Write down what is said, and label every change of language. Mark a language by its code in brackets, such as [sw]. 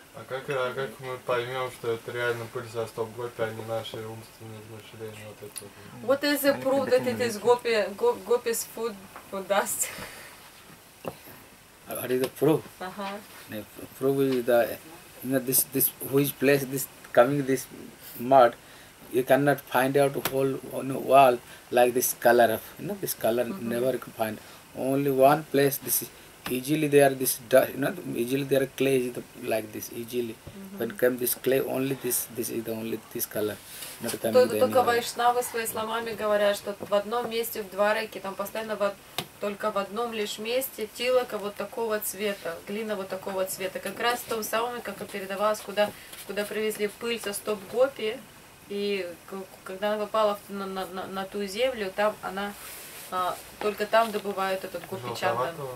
[ru] А как мы поймем, что это реально пыль со стоп гопи, а не наши умственные измышления вот это? [en] What is the proof that it is gopi, gopi's food for dust? What is the proof? Proof is that, this which place this coming this mud. You cannot find out whole wall like this color of, you know, this color never find. Only one place, this is easily there, this dust, you know, easily there clay is the, like this, easily. When come this clay, only this is the only this color. [ru] Только вайшнавы свои словами говорят, что в одном месте, в Двараке, там постоянно только в одном лишь месте тилака вот такого цвета, глина вот такого цвета. Как раз в том самом, как и передавалось, куда привезли пыль со стоп гопи. И когда она попала на ту землю, там она только там добывают этот гопичандан.